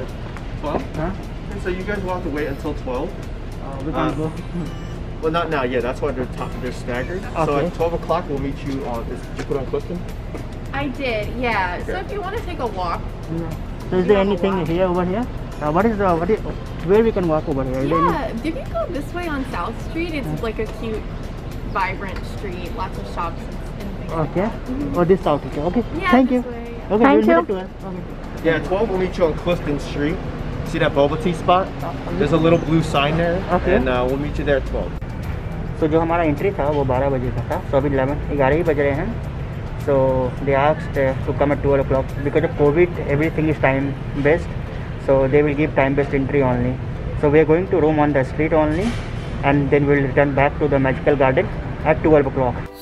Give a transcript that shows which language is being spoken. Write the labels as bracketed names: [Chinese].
[Hindi] Lift है, फिर हमें ग्राउंड फ्लोर पे जाना है। 12. 12? हां। [English] And so you guys will have to wait until 12? Well, not now. Yeah, that's why they're staggered. Okay. So at 12 o'clock, we'll meet you on... Did you put on Clifton? I did, yeah. Okay. So if you want to take a walk... Yeah. So is there anything here, over here? Where we can walk over here? Yeah, if you go this way on South Street, it's like a cute, vibrant street. Lots of shops and things. Okay. Mm-hmm. Oh, this South Street. Okay. Yeah, thank you. Way. Okay, thank you. Okay. Yeah, 12, we'll meet you on Clifton Street. See that boba tea spot? There's a little blue sign there. Okay. And we'll meet you there at 12. [Hindi] तो जो हमारा entry था वो 12 बजे का था, सो अभी 11 ही बज रहे हैं। [English] So they asked to come at 12 o'clock because of Covid, everything is time based, so they will give time based entry only. So we are going to roam on the street only and then we will return back to the magical garden at 12 o'clock।